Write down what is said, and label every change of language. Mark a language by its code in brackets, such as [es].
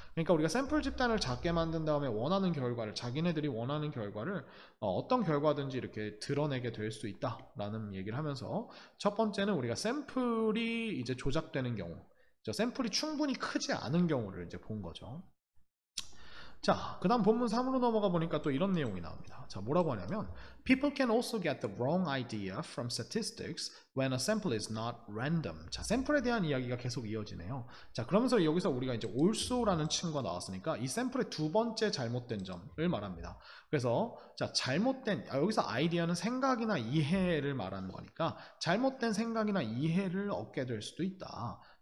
[ko] 그러니까 우리가 샘플 집단을 작게 만든 다음에 원하는 결과를, 자기네들이 원하는 결과를 어떤 결과든지 이렇게 드러내게 될수 있다라는 얘기를 하면서 첫 번째는 우리가 샘플이 이제 조작되는 경우, 샘플이 충분히 크지 않은 경우를 이제 본 거죠. 자, 그 다음 본문 3으로 넘어가 보니까 또 이런 내용이 나옵니다. 자, 뭐라고 하냐면 [en] People can also get the wrong idea from statistics when a sample is not random. [ko] 자, 샘플에 대한 이야기가 계속 이어지네요. 자, 그러면서 여기서 우리가 이제 옳소라는 친구가 나왔으니까 이 샘플의 두 번째 잘못된 점을 말합니다. 그래서 자, 잘못된, 여기서 아이디어는 생각이나 이해를 말하는 거니까 잘못된 생각이나 이해를 얻게 될 수도 있다.